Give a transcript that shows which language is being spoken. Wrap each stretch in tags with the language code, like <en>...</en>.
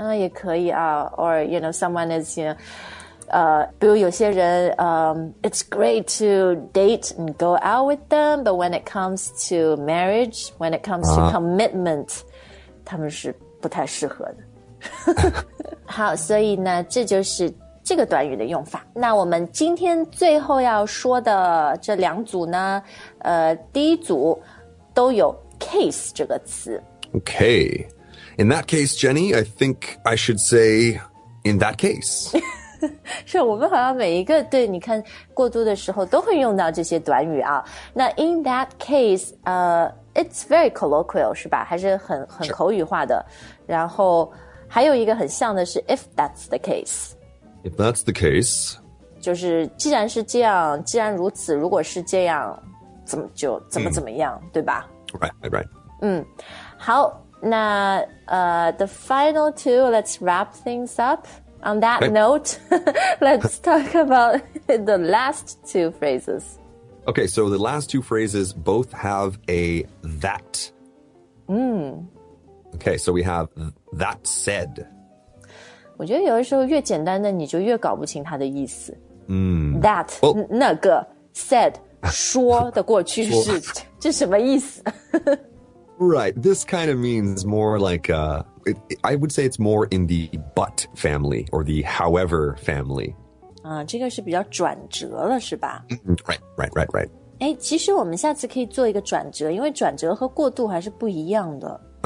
<zh>也可以啊</zh> <en>or, you know, someone is, you know,</en> <zh>比如有些人</zh> <en>it's great to date and go out with them, but when it comes to marriage, when it comes to commitment,</en> <zh>他们是不太适合的。好，所以呢，这就是这个短语的用法。那我们今天最后要说的这两组呢，第一组都有 case 这个词。</zh> <en>Okay. In that case, Jenny, I think I should say, in that case.</en> <zh>是我们好像每一个对你看过度的时候都会用到这些短语啊。</zh> <en>那 in that case, it's very colloquial,</en> <zh>是吧？还是很口语化的。Sure. 然后还有一个很像的是</zh> <en>if that's the case. If that's the case.</en> <zh>就是既然是这样既然如此如果是这样怎么样、mm. 对吧</zh> <en>Right. 嗯好那the final two, let's wrap things up. On that note, let's talk about the last two phrases. Okay, so the last two phrases both have a that. Mm. Okay, so we have that said.</en> <zh>我觉得有的时候越简单的你就越搞不清它的意思。 Mm. That, well, 那个 said, 说的过去式 well, 这什么意思</zh> <en>Right, this kind of means more like, I would say it's more in the but family or the however family.</en> <zh>这个是比较转折了是吧</zh> <en>Right.</en> <zh>诶其实我们下次可以做一个转折因为转折和过渡还是不一样的。</zh>